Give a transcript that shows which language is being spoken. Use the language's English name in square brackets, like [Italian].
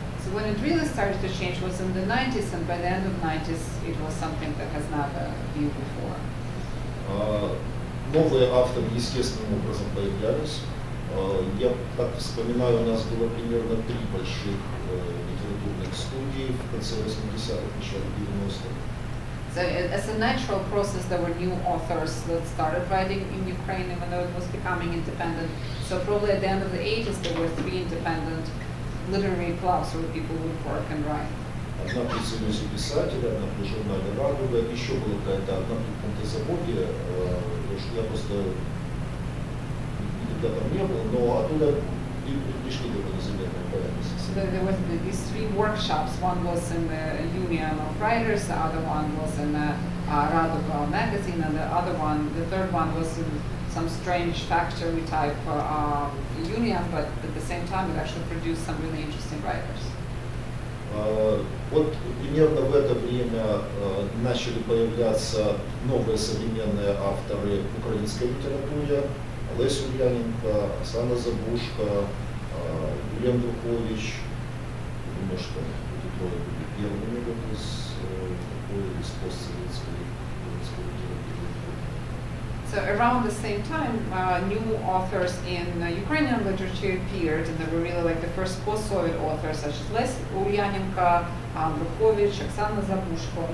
[English] When it really started to change was in the 90s, and by the end of the 90s, it was something that has not been before. [Russian] Новые авторы естественным образом появлялись. Я так вспоминаю, у нас было примерно три больших литературных студии в конце 80-х, начале 90-х. [English] So as a natural process, there were new authors that started writing in Ukraine, even though it was becoming independent. So probably at the end of the 80s, there were three independent literary clubs where people would work and write. [Russian] Одна при Союзе писателя, одна при журнале «Радуга», еще была какая-то одна при «Пунктозаводе», потому что я просто никогда там не был, но оттуда пришли довольно заметные поэты. [English] There were these three workshops. One was in the Union of Writers, the other one was in the «Радуга» magazine, and the other one, the third one was in some strange factory type union, but at the same time it actually produced some really interesting writers. [Russian] Вот примерно в это время начали появляться новые современные авторы украинской литературы: Олесь Ульяненко, Оксана Забушко, Юлиан Духович. Думаю, что эти трое были первыми вот из постсоветской украинской литературы. [English] So around the same time, new authors in Ukrainian literature appeared, and they were really like the first post-Soviet authors, such as Les Ulyanenko, Andrukhovich, Oksana Zabushko.